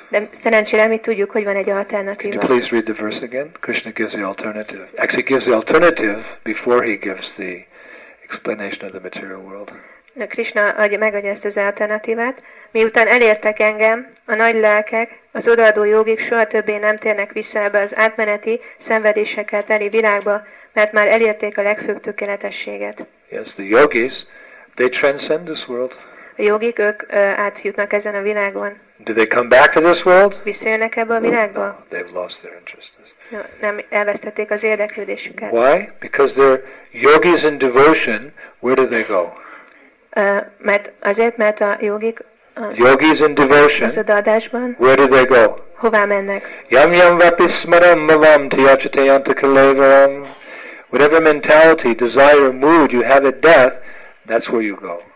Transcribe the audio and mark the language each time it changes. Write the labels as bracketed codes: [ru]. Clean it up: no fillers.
[hu] De szerencsére mi tudjuk, hogy van egy alternatíva. [en] Can you please read the verse again? Krishna gives the alternative. Actually gives the alternative before he gives the explanation of the material world. [hu] Krishna megadja ezt az alternatívát. Miután elértek engem, a nagy lelkek, az odaadó jogik soha többé nem térnek vissza ebbe az átmeneti, szenvedésekkel teli világba, mert már elérték a legfőbb tökéletességet. [en] Yes, the yogis, they transcend this world. [hu] A jogik, ők átjutnak ezen a világon. [en] Do they come back to this world? [hu] Visszajönnek ebbe a világba? [en] No, they've lost their interest. [hu] Nem, elvesztették az érdeklődésüket. [en] Why? Because they're yogis in devotion, where do they go? [hu] Mert a jogik, [en] yogis in devotion, [hu] az adásban, [en] where do they go? [hu] Hová mennek? [sa] Yam yam vapismaram mavam tiyachate yantakalevaram. [en] Whatever mentality, desire, mood you have at death, that's where you go.